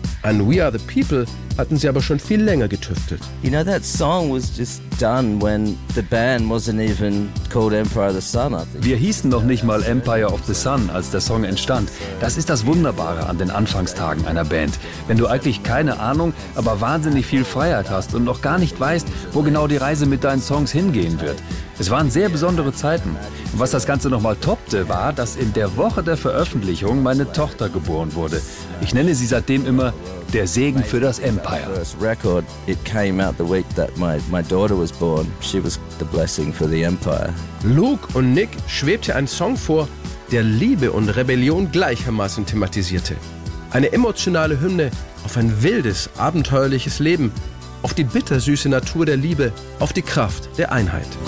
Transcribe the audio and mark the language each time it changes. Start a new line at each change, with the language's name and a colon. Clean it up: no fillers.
German: An We Are the People hatten sie aber schon viel länger getüftelt.
English: You know, that song was just done when the band wasn't even called Empire of the Sun, I think.
German: Wir hießen noch nicht mal Empire of the Sun, als der Song entstand. Das ist das Wunderbare an den Anfangstagen einer Band. Wenn du eigentlich keine Ahnung, aber wahnsinnig viel Freiheit hast und noch gar nicht weißt, wo genau die Reise mit deinen Songs hingehen wird. Es waren sehr besondere Zeiten. Und was das Ganze nochmal toppte, war, dass in der Woche der Veröffentlichung meine Tochter geboren wurde. Ich nenne sie seitdem immer der Segen für das Empire.
English: First record, it came out the week that my daughter was born. She was the blessing for the Empire.
German: Luke und Nick schwebte ein Song vor, der Liebe und Rebellion gleichermaßen thematisierte. Eine emotionale Hymne auf ein wildes, abenteuerliches Leben, auf die bittersüße Natur der Liebe, auf die Kraft der Einheit.